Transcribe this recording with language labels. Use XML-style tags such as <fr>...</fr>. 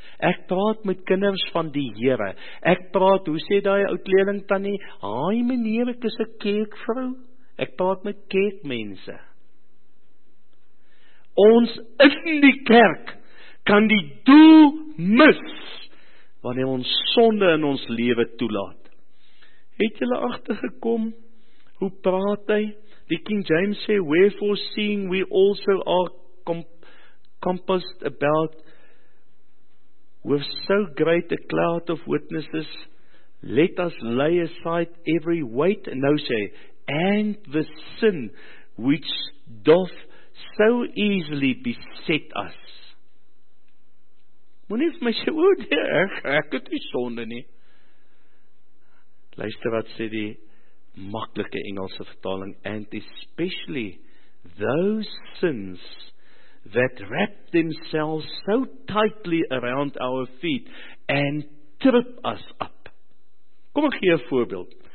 <af>Ek praat met kinders van die Here. Ek praat, hoe sê daai ou kleerling tannie, "Haai meneer, ek is 'n kerkvrou." Ek praat met kerkmense. Ons in die kerk kan die doel mis wanneer ons sonde in ons lewe toelaat. Het julle agtergekom hoe praat hy? Die King James sê,</af> <en>"Wherefore seeing we also are compassed about with so great a cloud of witnesses, let us lay aside every weight," and now say, "and the sin which doth so easily beset us."</en> <af>Moenie vir my sê, "O, ek het nie sonde nie." Luister wat sê die maklike Engelse vertaling,</af> <en>"and especially those sins that wrap themselves so tightly around our feet and trip us up."</en> <af>Kom ek gee 'n voorbeeld.</af>